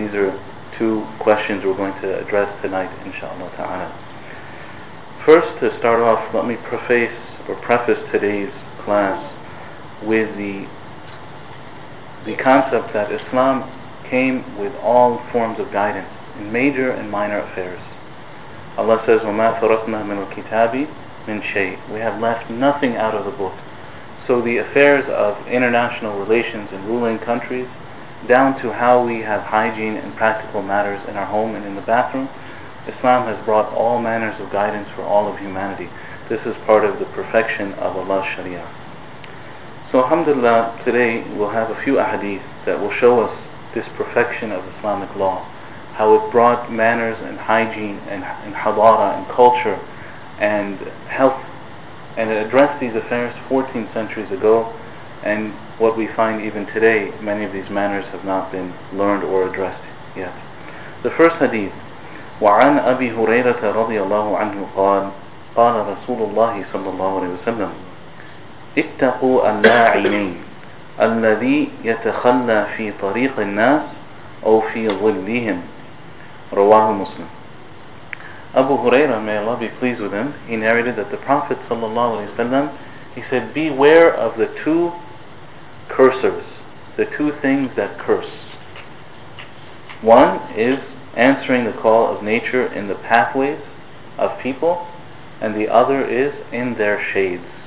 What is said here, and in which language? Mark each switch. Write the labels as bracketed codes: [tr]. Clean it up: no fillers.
[en] These are two questions we're going to address tonight, inshaAllah ta'ala. First, to start off, let me preface today's class with the concept that Islam came with all forms of guidance in major and minor affairs. Allah says, [ar] وَمَا فَرَقْنَا مِنَ الْكِتَابِ مِنْ شَيْءٍ. [en] We have left nothing out of the book. So the affairs of international relations and ruling countries, down to how we have hygiene and practical matters in our home and in the bathroom, Islam has brought all manners of guidance for all of humanity. This is part of the perfection of Allah's Sharia. So alhamdulillah, today we'll have a few ahadith that will show us this perfection of Islamic law, how it brought manners and hygiene and hadara and culture and health, and it addressed these affairs 14 centuries ago. And what we find even today, many of these manners have not been learned or addressed yet. The first hadith, [ar] وَعَنْ أَبِي هُرَيْرَةَ رَضِيَ اللَّهُ عَنْهُ قَالَ رَسُولُ اللَّهِ صَلَّى اللَّهُ عَلَيْهِ وَسَلَّمْ اتَّقُوا اللَّاعِنِينَ الَّذِي يَتَخَلَّى فِي طَرِيقِ النَّاسِ أَوْ فِي ظِلِّهِمْ. Rawahu Muslim. [en] Abu Huraira, may Allah be pleased with him, he narrated that the Prophet ﷺ, he said, beware of the two cursors, the two things that curse. One is answering the call of nature in the pathways of people, and the other is in their shades.